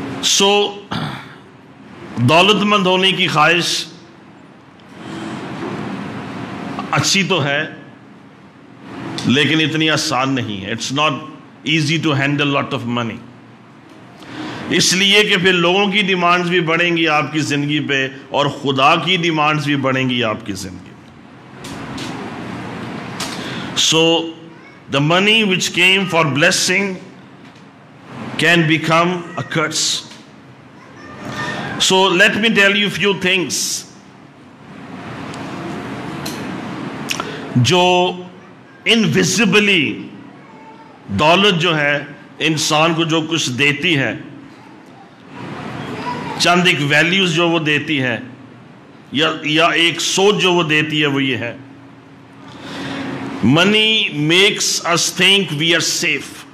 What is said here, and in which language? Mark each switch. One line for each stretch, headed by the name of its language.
Urdu: سو دولت مند ہونے کی خواہش اچھی تو ہے لیکن اتنی آسان نہیں ہے.
English: it's not easy to handle lot of money,
Urdu: اس لیے کہ پھر لوگوں کی ڈیمانڈز بھی بڑھیں گی آپ کی زندگی پہ اور خدا کی ڈیمانڈز بھی بڑھیں گی آپ کی زندگی پہ.
English: So the money which came for blessing can become a curse. So let me tell you few things
Urdu: جو انویزبلی دولت جو ہے انسان کو جو کچھ دیتی ہے، چند ایک ویلیوز جو وہ دیتی ہے یا ایک سوچ جو وہ دیتی ہے وہ یہ ہے،
English: Money makes us think we are safe.